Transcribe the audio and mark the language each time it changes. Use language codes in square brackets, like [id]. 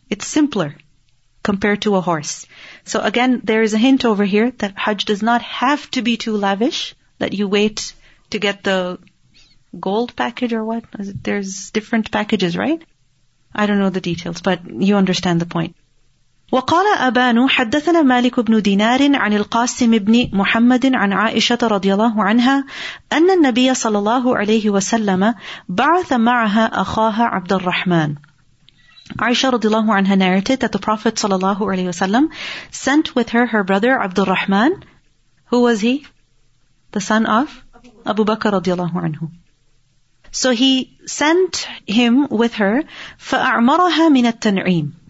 [en] It's simpler compared to a horse. So again, there is a hint over here that Hajj does not have to be too lavish, that you wait to get the gold package or what? There's different packages, right? I don't know the details, but you understand the point. [ar] وقال أبان حدثنا مالك بن دينار عن القاسم بن محمد عن عائشة رضي الله عنها أن النبي صلى الله عليه وسلم بعث معها أخاها عبد الرحمن. [en] Aisha radiallahu anha narrated that the Prophet sallallahu alayhi wasallam sent with her her brother Abdul Rahman. Who was he? The son of Abu Bakr radiallahu anhu. So he sent him with her, [ar] فَأَعْمَرَهَا مِنَ التَّنْعِيمِ.